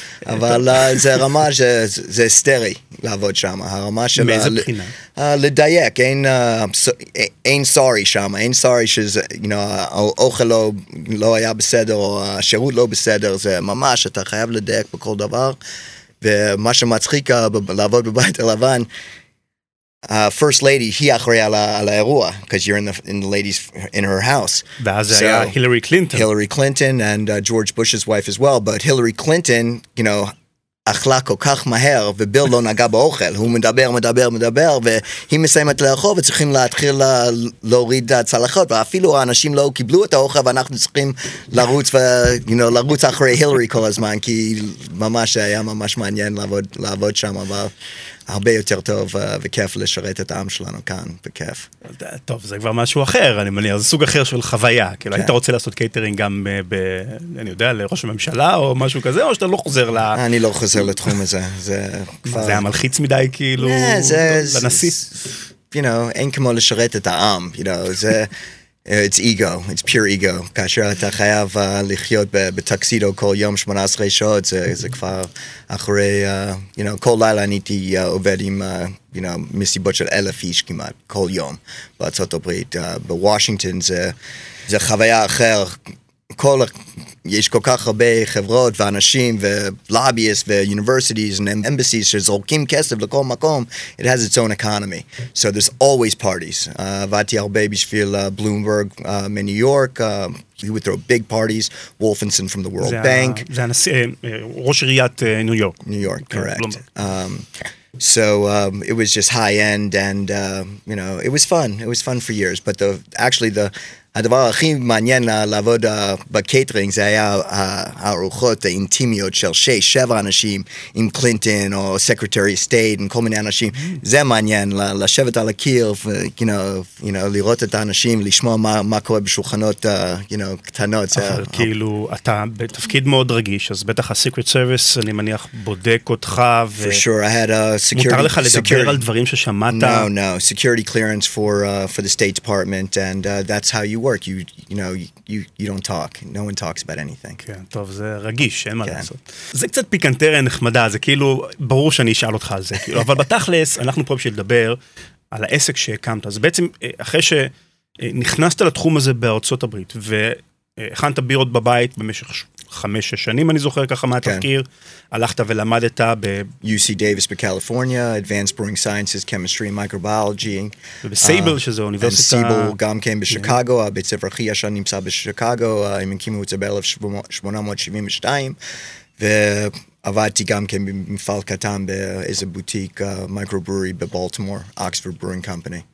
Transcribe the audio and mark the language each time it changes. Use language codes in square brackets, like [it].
[he] אבל זה רמה, זה היסטרי לעבוד שם. הרמה של... מאיזה בחינה? לדייק, אין סורי שם, אין סורי שזה, האוכל לא היה בסדר, או השירות לא בסדר, זה ממש, אתה חייב לדייק בכל דבר. ומה שמצחיק לעבוד בבית הלבן, first lady, היא אחראי על האירוע, [en] because you're in the ladies in her house. [he] ואז זה היה Hillary Clinton. [en] Hillary Clinton and George Bush's wife as well, but [he] Hillary Clinton, אכלה כל כך מהר, וביל לא נגע באוכל, הוא מדבר, והיא מסיימת לאכול, וצריכים להתחיל להוריד הצלחות, ואפילו האנשים לא קיבלו את האוכל, ואנחנו צריכים לרוץ, לרוץ אחרי הילרי כל הזמן, כי ממש היה ממש מעניין לעבוד שם, אבל הרבה יותר טוב וכיף לשרת את העם שלנו כאן, בכיף. טוב, זה כבר משהו אחר, אני מניח, זה סוג אחר של חוויה, כאילו, היית רוצה לעשות קייטרינג גם, אני יודע, לראש הממשלה או משהו כזה, או שאתה לא חוזר ל... אני לא חוזר לתחום הזה, זה כבר... זה היה מלחיץ מדי, כאילו, לנשיא? [en] you know, [he] אין כמו לשרת את העם, [en] you know, זה, it's ego, it's pure ego. [he] כאשר אתה חייב לחיות בטקסידו כל יום 18 שעות, זה כבר אחרי, [en] you know, [he] כל לילה אני הייתי עובד עם, [en] you know, [he] מסיבות של 1,000 איש כמעט, כל יום, בארצות הברית. בוושינגטון זה חוויה אחר, כל, יש כל כך הרבה חברות ואנשים ולאביסט ואוניברסיטיז ואמבסיז שזורקים כסף לכל מקום. [en] It has its own economy. So there's always parties. [he] עבדתי הרבה בשביל בלומברג מניו יורק. [en] He would throw big parties. Wolfenson from the World Bank. [he] זה הנשיא, ראש עיריית ניו יורק. ניו יורק, correct. [en] So it was just high end and, you know, it was fun. It was fun for years. [he] But הדבר הכי מעניין לעבוד בקייטרינג זה היה הארוחות האינטימיות של 6-7 אנשים עם קלינטון או סקרטרי סטייט עם כל מיני אנשים. זה מעניין לשבת על הקיר, לראות את האנשים, לשמוע מה קורה בשולחנות קטנות. אבל כאילו, אתה בתפקיד מאוד רגיש, אז בטח הסקרט סרוויס, אני מניח, בודק אותך. [en] For sure, I had a security... [he] מותר לך לדבר על דברים ששמעת? [en] No, security clearance for the State Department, and that's how you work. You don't talk. No one talks about anything. [he] כן, טוב, זה רגיש, אין מה לעשות. זה קצת פיקנטריה נחמדה, זה כאילו, ברור שאני אשאל אותך על זה, כאילו, אבל בתכלס, אנחנו פה בשביל לדבר על העסק שהקמת. אז בעצם, אחרי שנכנסת לתחום הזה בארצות הברית, והכנת בירות בבית במשך 5-6 שנים, אני זוכר ככה מהתחקיר, הלכת ולמדת ב... [en] UC Davis בקליפורניה, Advanced Brewing Sciences, Chemistry and Microbiology. [he] ובסייבל, שזו אוניברסיטה... וסייבל גם כן בשיקגו, הבית ספר הכי ישן נמצא בשיקגו, הם הקימו את זה ב-1872, ועבדתי גם כן במפעל קטן באיזה בוטיק, מייקרוברורי בבולטימור, Oxford Brewing Company.